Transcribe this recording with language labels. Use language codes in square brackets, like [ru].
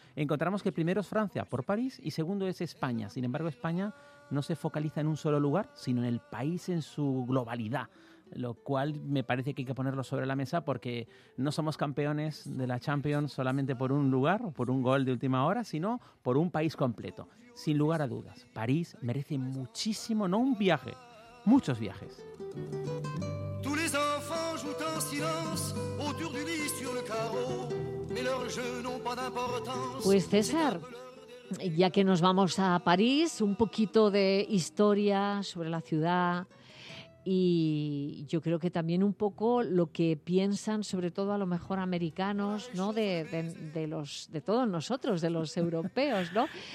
[es] Encontramos que primero es Francia por París y segundo es España. Sin embargo, España no se focaliza en un solo lugar, sino en el país en su globalidad. Lo cual me parece que hay que ponerlo sobre la mesa porque no somos campeones de la Champions solamente por un lugar o por un gol de última hora, sino por un país completo. Sin lugar a dudas, París merece muchísimo, no un viaje, muchos viajes. [fr] Tous les enfants jouent en silence autour du lit sur le carreau, mais leurs jeux n'ont pas d'importance. [es] Pues César, ya que nos vamos a París, un poquito de historia sobre la ciudad y yo creo que también un poco lo que piensan, sobre todo a lo mejor americanos, ¿no? De todos nosotros, de los europeos, ¿no?